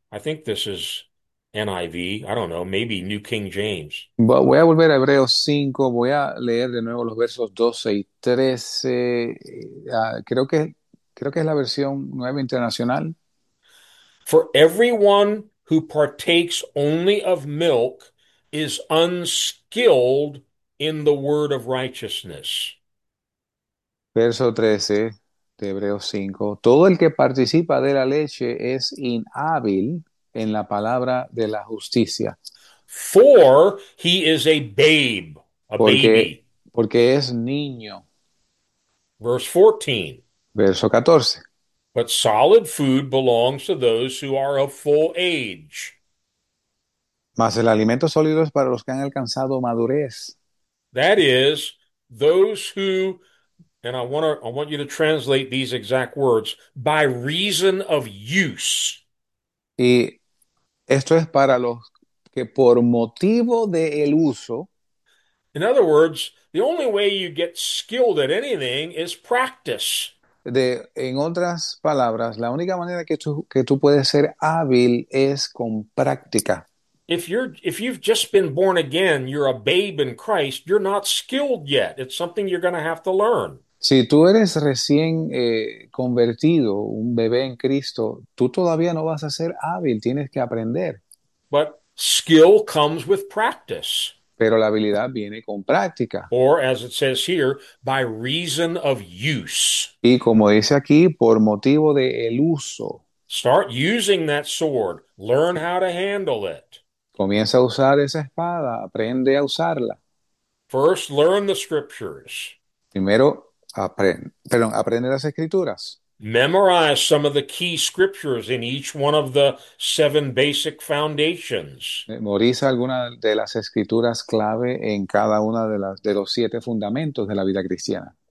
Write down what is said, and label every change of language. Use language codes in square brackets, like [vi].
[en] I think this is NIV. I don't know. Maybe New King James. [es] Voy a volver a Hebreos 5, voy a leer de nuevo los versos 12 y 13. Creo que es la versión nueva internacional. [en] For everyone who partakes only of milk is unskilled in the word of righteousness. [es] Verso 13 de Hebreos 5. Todo el que participa de la leche es inhábil en la palabra de la justicia. [en] For he is a babe, a [es] Porque [en] baby. [es] es niño. [en] Verse 14. [es] Verso 14. [en] But solid food belongs to those who are of full age. [es] Mas el alimento sólido es para los que han alcanzado madurez. [en] That is, those who, and I want you to translate these exact words, by reason of use. [es] Y esto es para los que por motivo del uso. [en] In other words, the only way you get skilled at anything is practice. [es] En otras palabras, la única manera que tú puedes ser hábil es con práctica. [en] If you've just been born again, you're a babe in Christ, you're not skilled yet. It's something you're going to have to learn. [es] Si tú eres recién convertido, un bebé en Cristo, tú todavía no vas a ser hábil, tienes que aprender. [en] But skill comes with practice. [es] Pero la habilidad viene con práctica. [en] Or, as it says here, by reason of use. [es] Y como dice aquí, por motivo del uso, [en] Start using that sword. Learn how to handle it. [es] comienza a usar esa espada, aprende a usarla. [en] First, learn the scriptures. [es] Primero, aprende las escrituras. [en] Memorize some of the key scriptures in each one of the seven basic foundations. [es] Memoriza alguna de las escrituras clave en cada una de los siete fundamentos de la vida cristiana.